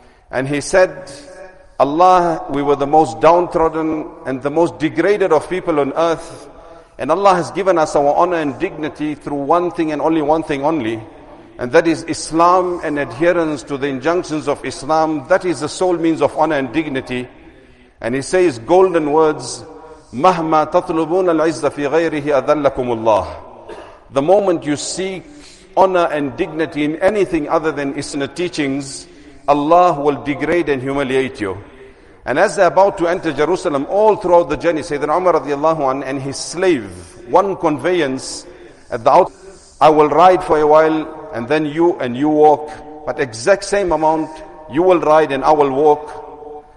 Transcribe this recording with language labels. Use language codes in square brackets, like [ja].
[en] And he said, Allah, we were the most downtrodden and the most degraded of people on earth. And Allah has given us our honor and dignity through one thing and only one thing only. And that is Islam and adherence to the injunctions of Islam. That is the sole means of honor and dignity. And he says golden words, [ar] مَهْمَا تَطْلُبُونَ الْعِزَّ فِي غَيْرِهِ أَذَلَّكُمُ اللَّهِ. [en] The moment you seek honor and dignity in anything other than Islamic teachings, Allah will degrade and humiliate you. And as they're about to enter Jerusalem, all throughout the journey, Sayyidina Umar radiallahu anhu and his slave, one conveyance at the outset, I will ride for a while and then you and you walk, but exact same amount, you will ride and I will walk.